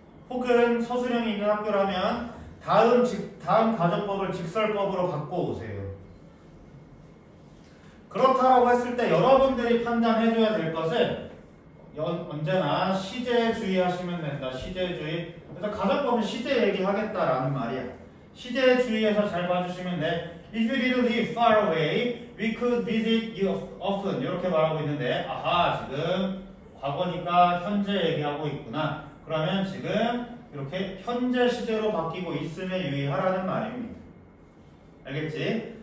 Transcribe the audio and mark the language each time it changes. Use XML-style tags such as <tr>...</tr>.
<ko>혹은 서술형이 있는 학교라면 다음 가정법을 직설법으로 바꿔오세요. 그렇다고 했을 때 여러분들이 판단해줘야 될 것은 언제나 시제에 주의하시면 된다. 시제에 주의. 그래서 가정법은 시제 얘기하겠다라는 말이야. 시제에 주의해서 잘 봐주시면 돼.</ko> <en>If you didn't live far away, we could visit you often.</en> <ko>이렇게 말하고 있는데, 아하, 지금 과거니까 현재 얘기하고 있구나. 그러면 지금 이렇게 현재 시제로 바뀌고 있음에 유의하라는 말입니다. 알겠지?</ko>